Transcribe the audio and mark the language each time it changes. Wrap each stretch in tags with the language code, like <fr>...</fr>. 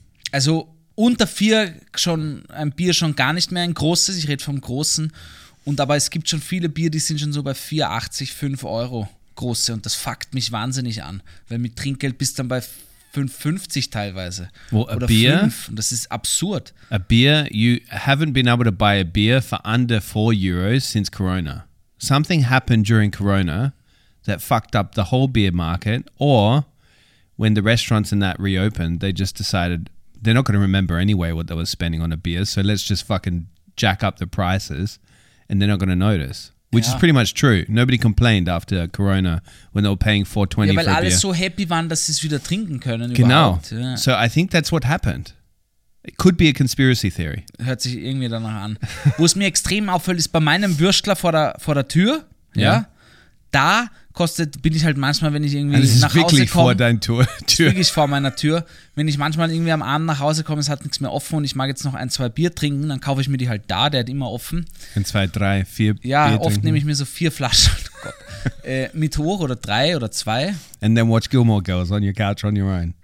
<de>Also unter 4 schon ein Bier schon gar nicht mehr, ein großes. Ich rede vom großen. Und aber es gibt schon viele Bier, die sind schon so bei 4,80, 5 Euro große. Und das fuckt mich wahnsinnig an. Weil mit Trinkgeld bist du dann bei 5,50 teilweise.</de> <en>Well, a oder beer, 5.</en> <de>Und das ist absurd.</de> <en>A beer, you haven't been able to buy a beer for under 4 euros since Corona. Something happened during Corona that fucked up the whole beer market, or when the restaurants and that reopened, they just decided they're not going to remember anyway what they were spending on a beer, so let's just fucking jack up the prices and they're not going to notice. Which is pretty much true. Nobody complained after Corona when they were paying $4.20 for a beer.</en> <de>Ja, weil alle so happy waren, dass sie es wieder trinken können. Genau. Überhaupt.</de> <en>Yeah. So I think that's what happened. It could be a conspiracy theory.</en> <de>Hört sich irgendwie danach an. Wo es mir extrem auffällt, ist bei meinem Würstler vor der Tür. Yeah. Ja. Da bin ich halt manchmal, wenn ich irgendwie nach Hause komme. Das ist wirklich vor deiner Tür. Wirklich vor meiner Tür. Wenn ich manchmal irgendwie am Abend nach Hause komme, es hat nichts mehr offen und ich mag jetzt noch ein, zwei Bier trinken, dann kaufe ich mir die halt da, der hat immer offen. Ein, zwei, drei, vier Bier. Ja, Bier oft nehme ich mir so 4 Flaschen mit hoch oder 3 oder 2.</de> <en>And then watch Gilmore Girls on your couch on your own.</en>